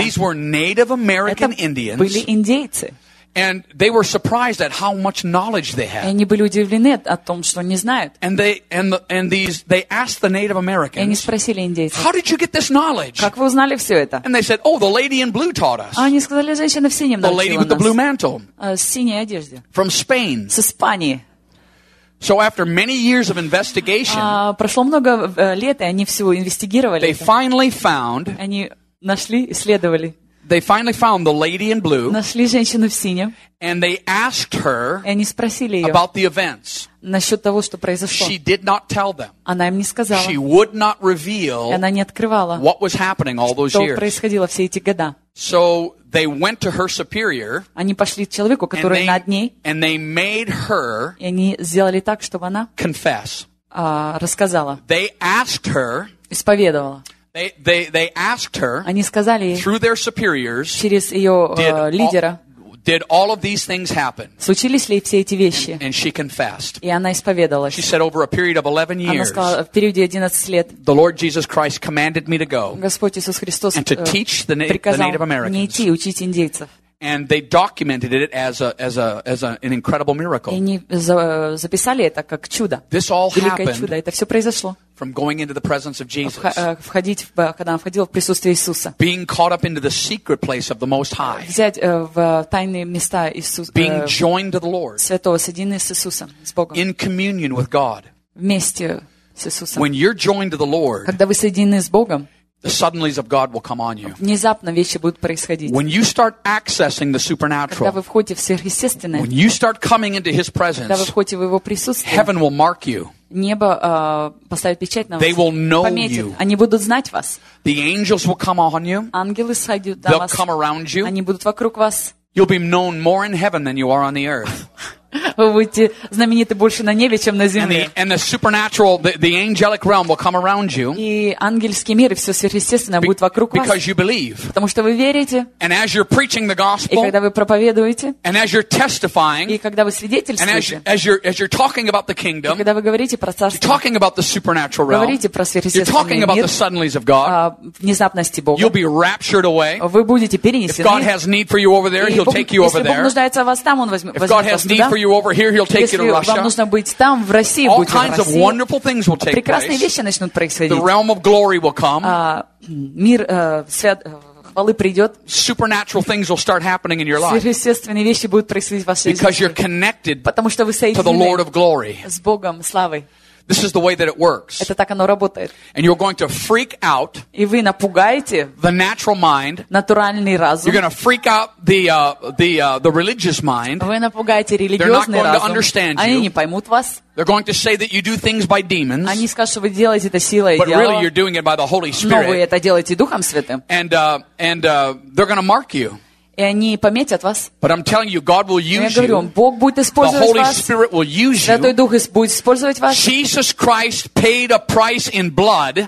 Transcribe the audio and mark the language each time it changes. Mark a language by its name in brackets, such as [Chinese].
[English] these were Native American Indians, [Russian] были индейцы. [English] And they were surprised at how much knowledge they had. [Russian] Они были удивлены о том, что не знают. [English] And they asked the Native Americans. [Russian] И они спросили индейцев. [English] How did you get this knowledge? [Russian] Как вы узнали все это? [English] And they said, oh, the lady in blue taught us. [Russian] Они сказали, женщина в синем научила нас. [English] The lady with the blue mantle. [Russian] С синей одежде. [English] From Spain. [Russian] С Испании. [English] So after many years of investigation. [Russian] Прошло много лет, и они все инвестигировали. [English] They finally found. [Russian] Они нашли, исследовали. [English] They finally found the lady in blue. [Russian] Нашли женщину в синем. [English] And they asked her. [Russian] И они спросили ее. [English] About the events. [Russian] Насчет того, что произошло. [English] She did not tell them. [Russian] Она им не сказала. [English] She would not reveal. [Russian] И она не открывала. [English] What was happening all those years? [Russian] Что происходило все эти года? [English] So they went to her superior. [Russian] Они пошли к человеку, который над ней. [English] And they made her. [Russian] И они сделали так, чтобы она. [English] Confess. [Russian] Рассказала. [English] They asked her. [Russian] Исповедовала. [English] They asked her, [Russian] они сказали ей, [English] through their superiors, [Russian] через ее лидера, [English] did all of these things happen? [Russian] Случились ли все эти вещи? [English] And she confessed. [Russian] И она исповедовалась. [English] She said, over a period of 11 years, [Russian] она сказала, в периоде 11 лет, [English] the Lord Jesus Christ commanded me to go, [Russian] Господь Иисус Христос, [English] and to teach the Native Americans. [Russian] Мне идти, учить индейцев. [English] And they documented it as an incredible miracle. [Russian] И они записали это как чудо. [English] This all [Russian] великое [English] happened [Russian] чудо. Это все произошло. [English] From going into the presence of Jesus. [Russian] Когда он входил в присутствие Иисуса. [English] Being caught up into the secret place of the Most High. [Russian] Взять в тайные места Иисуса. [English] Being joined to the Lord. [Russian] Святого, соединенный с Иисусом, с Богом. [English] In communion with God. [Russian] Вместе с Иисусом. [English] When you're joined to the Lord. [Russian] Когда вы соединены с Богом. [English] The suddenlies of God will come on you. [Russian] Внезапно вещи будут происходить. [English] When you start accessing the supernatural. [Russian] Когда вы входите в сверхъестественное. [English] When you start coming into His presence. [Russian] Когда вы входите в Его присутствие. [English] Heaven will mark you. [Russian] Небо поставит печать на вас. [English] They will know [Russian] пометит. [English] You. [Russian] Они будут знать вас. [English] The angels will come on you. [Russian] Ангелы сойдут на [English] They'll [Russian] вас. [English] Come around you. [Russian] Они будут вокруг вас. [English] You'll be known more in heaven than you are on the earth. [Russian] Вы будете знамениты больше на небе, чем на земле. [English] And the supernatural, the angelic realm will come around you. [Russian] И ангельский мир, и все сверхъестественное будет вокруг вас. [English] Because you believe. [Russian] Потому что вы верите. [English] And as you're preaching the gospel. [Russian] И когда вы проповедуете. [English] And as you're testifying. [Russian] И когда вы свидетельствуете. [English] And as you're talking about the kingdom. [Russian] И когда вы говорите про царство. [English] You're talking about the supernatural realm. [Russian] Говорите про сверхъестественное. [English] You're talking about the suddenlies of God. [Russian] Внезапности Бога. [English] You'll be raptured away. [Russian] Вы будете перенесены. [English] If God has need for you over there, He'll take you over there. [Russian] Если Бог нуждается в вас там, Он возьмет вас туда. [English] For you over here, he'll take [Russian] Если [English] you to Russia. [Russian] Вам нужно быть там, в России, [English] all kinds of wonderful things will take [Russian] прекрасные [English] place. [Russian] Вещи начнут происходить. [English] The realm of glory will come. [Russian] Мир свят хвалы придет, [English] supernatural things will start happening in your life. [Russian] Сверхъестественные вещи будут происходить в вашей жизни. [English] Because you're connected [Russian] потому что вы соединены [English] to the Lord of glory. [Russian] С Богом славы. [English] This is the way that it works. [Russian] Это так оно работает. [English] And you're going to freak out. [Russian] И вы напугаете [English] the natural mind. [Russian] Натуральный разум. [English] You're going to freak out the religious mind. [Russian] Вы напугаете религиозный разум. [English] They're not going to understand [Russian] они [English] you. [Russian] Они не поймут вас. [English] They're going to say that you do things by demons. [Russian] Они скажут, что вы делаете это силой дьявола. [English] But really, you're doing it by the Holy Spirit. [Russian] Но вы это делаете Духом Святым. [English] And they're going to mark you. [Russian] И они пометят вас. [English] But I'm telling you, God will use [Russian] я говорю вам, Бог будет использовать [English] the Holy [Russian] вас. [English] Spirit will use [Russian] Святой Дух [English] you. [Russian] Будет использовать вас. [English] Jesus Christ paid a price in blood,